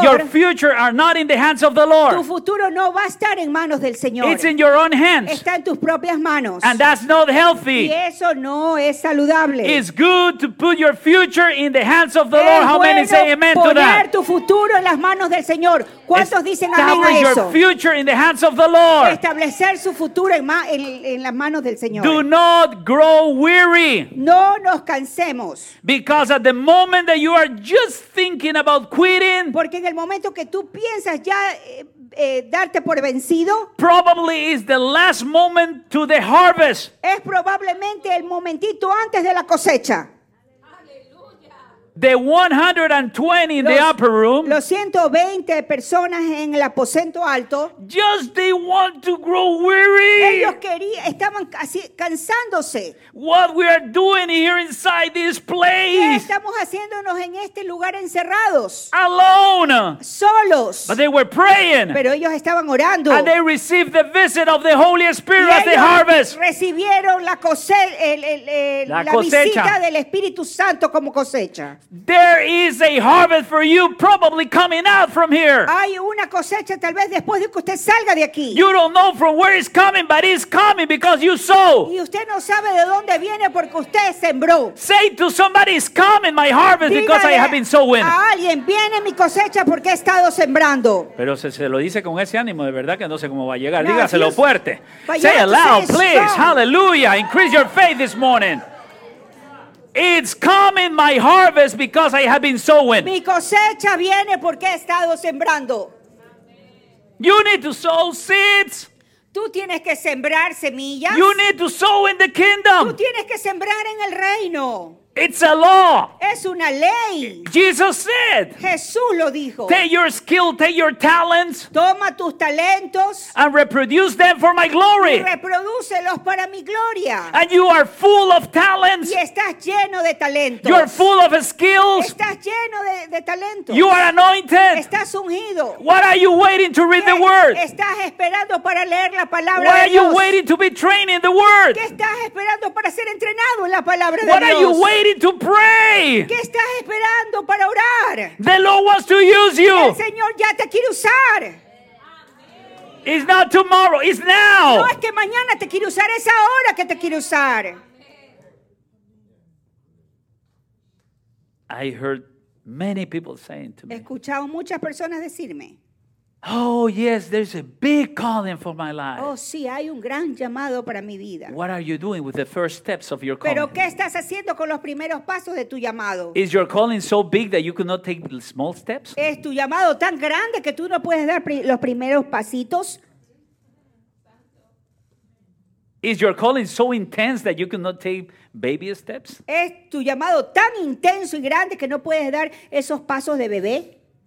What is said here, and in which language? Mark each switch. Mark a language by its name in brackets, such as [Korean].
[English] Your future are not in the hands of the Lord. [Spanish] Tu futuro no va a estar en manos del Señor. [English] It's in your own hands. [Spanish] Está en tus propias manos. [English] And that's not healthy. [Spanish] Y eso no es saludable. [English] It's good to put your future in the hands of the [Spanish] es [English] Lord. [Spanish] Bueno, [English] how many say amen to that? [Spanish] Poner tu futuro en las manos del Señor. ¿Cuántos dicen amén a eso? [English] Establish your future in the hands of the Lord. [Spanish] Establecer su futuro en las manos del Señor. [English] Do not grow weary. [Spanish] No nos cansemos. [English] Because at the moment that you are just thinking about quitting, [Spanish] porque en el momento que tú piensas ya darte por vencido, [English] probably is the last moment to the harvest. [Spanish] Es probablemente el momentito antes de la cosecha. [English] The 120 in the upper room. [Spanish] Los 120 personas en el aposento alto. [English] Just they want to grow weary. [Spanish] Ellos querían, estaban así cansándose. [English] What we are doing here inside this place? [Spanish] ¿Qué estamos haciéndonos en este lugar encerrados? [English] Alone. [Spanish] Solos. [English] But they were praying. [Spanish] Pero ellos estaban orando. [English] And they received the visit of the Holy Spirit at the harvest. [Spanish] Recibieron la cosecha, la visita del Espíritu Santo como cosecha. [English] There is a harvest for you probably coming out from here. [Spanish] Hay una cosecha tal vez después de que usted salga de aquí. [English] You don't know from where it's coming, but it's coming because you sow. [Spanish] Y usted no sabe de dónde viene porque usted sembró. [English] Say to somebody, it's coming, my harvest. [Spanish] Dígale [English] because I have been sowing. [Spanish] A alguien, viene mi cosecha porque he estado sembrando. Pero se lo dice con ese ánimo, de verdad que no sé cómo va a llegar. Dígaselo fuerte. [English] But say it loud, say please. Strong. Hallelujah. Increase your faith this morning. It's coming, my harvest, because I have been sowing. [Spanish] Mi cosecha viene porque he estado sembrando. [English] You need to sow seeds. [Spanish] Tú tienes que sembrar semillas. [English] You need to sow in the kingdom. [Spanish] Tú tienes que sembrar en el reino. [English] It's a law. [Spanish] Es una ley. [English] Jesus said. [Spanish] Jesús lo dijo. [English] Take your skill, take your talents. [Spanish] Toma tus talentos. [English] And reproduce them for my glory. [Spanish] Y reprodúcelos para mi gloria. [English] And you are full of talents. [Spanish] Y estás lleno de talentos. [English] You are full of skills. [Spanish] Estás lleno de talentos. [English] You are anointed. [Spanish] Estás ungido. [English] What are you waiting to read the word? [Spanish] Estás esperando para leer la palabra. [English] What [Spanish] de [English] are [Spanish] Dios? [English] You waiting to be trained in the word? [Spanish] ¿Qué estás esperando para ser entrenado en la palabra [English] what [Spanish] de [English] are [Spanish] Dios? [English] You waiting to pray. [Spanish] ¿Qué estás esperando para orar? [English] The Lord wants to use you. [Spanish] El Señor ya te quiere usar. [English] It's not tomorrow, it's now. [Spanish] No es que mañana te quiere usar, es ahora que te quiere usar. [English] I heard many people saying to me. [Spanish] He escuchado muchas personas decirme. [English] Oh yes, there's a big calling for my life. [Spanish] Oh sí, hay un gran llamado para mi vida. [English] What are you doing with the first steps of your calling? [Spanish] Pero ¿qué estás haciendo con los primeros pasos de tu llamado? [English] Is your calling so big that you cannot take small steps? [Spanish] ¿Es tu llamado tan grande que tú no puedes dar los primeros pasitos? [English] Is your calling so intense that you cannot take baby steps? [Spanish] ¿Es tu llamado tan intenso y grande que no puedes dar esos pasos de bebé?